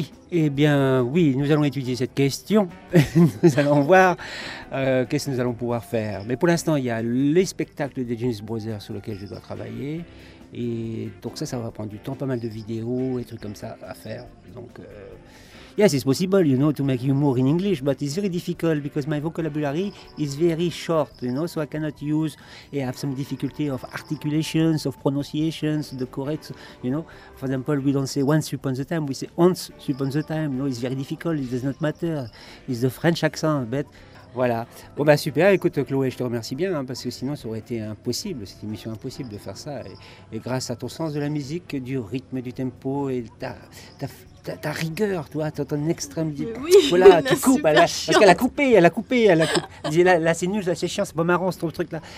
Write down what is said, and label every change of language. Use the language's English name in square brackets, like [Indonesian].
[French] Eh bien oui, nous allons étudier cette question. Nous allons voir qu'est-ce que nous allons pouvoir faire. Mais pour l'instant, il y a les spectacles des Jonas Brothers sur lesquels je dois travailler. Et donc ça va prendre du temps, pas mal de vidéos et trucs comme ça à faire. [English] Donc, yes, it's possible, you know, to make humor in English, but it's very difficult because my vocabulary is very short, you know, so I cannot use and have some difficulty of articulations, of pronunciations, the correct, you know. For example, we don't say once upon the time, we say once upon the time, you know, it's very difficult, it does not matter, it's the French accent, but... [French] Voilà. Bon, bah super. Écoute, Chloé, je te remercie bien, hein, parce que sinon, ça aurait été impossible, cette émission impossible de faire ça. Et grâce à ton sens de la musique, du rythme, du tempo et ta rigueur, toi, ton extrême... Mais oui, voilà, tu coupes. Parce qu'elle a coupé, Là, c'est nul, là, c'est chiant, c'est pas marrant, c'est ton truc-là.